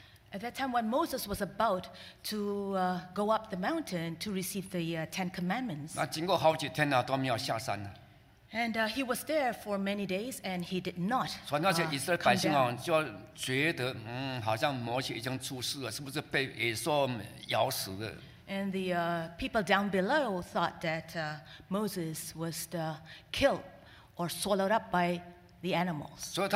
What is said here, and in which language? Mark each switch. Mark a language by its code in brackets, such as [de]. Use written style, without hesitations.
[en] At that time when Moses was about to go up the mountain to receive the Ten Commandments, [zh] 经过好几天都没有下山。 [en] And he was there for many days, and he did not come down. And the people down below thought that Moses was killed or swallowed up by the animals.